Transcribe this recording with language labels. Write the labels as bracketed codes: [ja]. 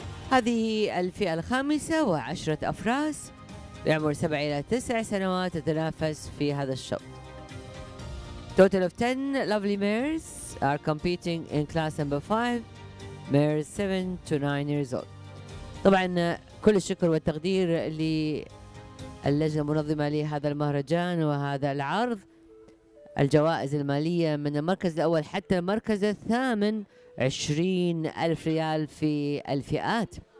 [ar] هذه الفئة الخامسة وعشرة أفراس بعمر 7 إلى 9 سنوات تتنافس في هذا الشوط. [en] Total of 10 lovely mares are competing in class number 5, mares 7 to 9 years old. [ar] طبعا كل الشكر والتقدير للجنة المنظمة لهذا المهرجان وهذا العرض. الجوائز المالية من المركز الأول حتى المركز الثامن 20,000 ريال في الفئات.